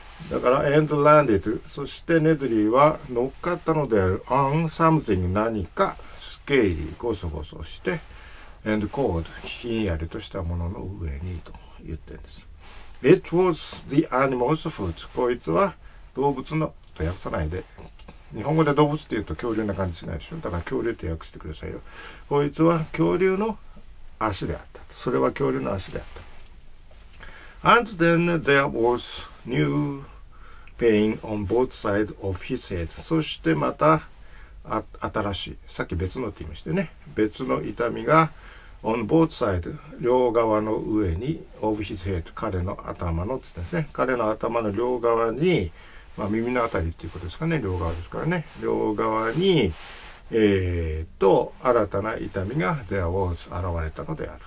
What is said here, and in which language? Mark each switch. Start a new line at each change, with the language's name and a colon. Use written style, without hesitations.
Japanese: だから、
English: and landed。
Japanese: そして、ネドリーは乗っかったのである、
English: on something
Japanese: 何か、スケイリー、ゴソゴソして、
English: and cold,
Japanese: ひんやりとしたものの上にと言ってるんです。
English: It was the animal's food.
Japanese: こいつは動物のと訳さないで。日本語で動物って言うと恐竜な感じしないでしょ。だから恐竜って訳してくださいよ。こいつは恐竜の足であった。それは恐竜の足であった。
English: And then there was new pain on both sides of his head.
Japanese: そしてまた新しい。さっき別のって言いましたよね。別の痛みが
English: on both sides,
Japanese: 両側の上に
English: of his head,
Japanese: 彼の頭のって言ったんですね。彼の頭の両側に、まあ耳のあたりっていうことですかね。両側ですからね。両側に、新たな痛みが
English: there was
Japanese: 現れたのである。